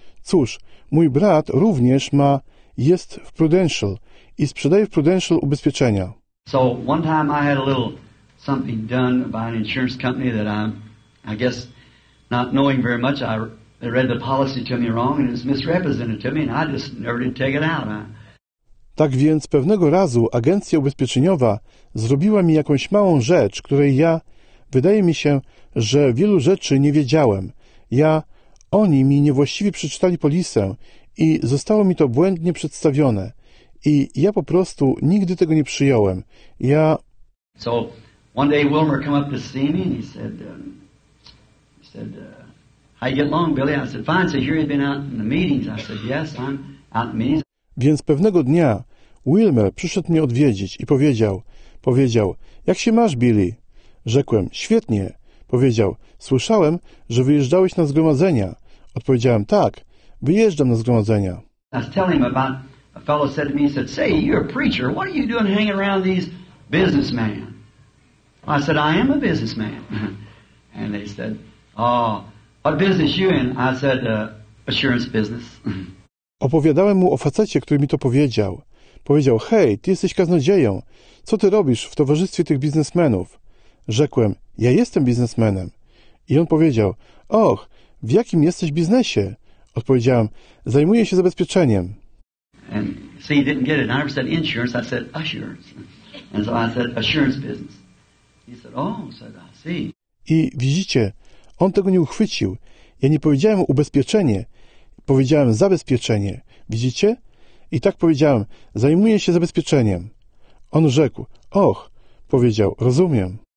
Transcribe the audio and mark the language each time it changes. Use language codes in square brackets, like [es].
[pl] Cóż, mój brat również jest w Prudential i sprzedaje w Prudential ubezpieczenia. [en] So one time I had a little something done by an insurance company that I guess not knowing very much, they read the policy to me wrong and it's misrepresented to me and I just never did take it out. [pl] Tak więc pewnego razu agencja ubezpieczeniowa zrobiła mi jakąś małą rzecz, której ja, wydaje mi się, że wielu rzeczy nie wiedziałem. Oni mi niewłaściwie przeczytali polisę i zostało mi to błędnie przedstawione. I ja po prostu nigdy tego nie przyjąłem. [en] So one day Wilmer came up to see me and he said, how you get along, Billy? I said, fine. So here you've been out in the meetings. I said, yes, I'm out in the meetings. [pl] Więc pewnego dnia Wilmer przyszedł mnie odwiedzić i powiedział, jak się masz, Billy? Rzekłem, świetnie. Powiedział, słyszałem, że wyjeżdżałeś na zgromadzenia. Odpowiedziałem, tak, wyjeżdżam na zgromadzenia. [en] I was telling him about a fellow said to me, he said, say, you're a preacher, what are you doing hanging around these businessmen? I said, I am a businessman. And they said, oh, what business you in? I said, assurance business. [pl] Opowiadałem mu o facecie, który mi to powiedział. Powiedział, hej, ty jesteś kaznodzieją. Co ty robisz w towarzystwie tych biznesmenów? Rzekłem, ja jestem biznesmenem. I on powiedział, och, w jakim jesteś biznesie? Odpowiedziałem, zajmuję się zabezpieczeniem. [en] And see, he didn't get it. I never said insurance, I said assurance. And so I said assurance business. He said, oh, said I see. [pl] I widzicie, on tego nie uchwycił. Ja nie powiedziałem ubezpieczenie. Powiedziałem zabezpieczenie. Widzicie? I tak powiedziałem, zajmuję się zabezpieczeniem. On rzekł, och, powiedział, rozumiem.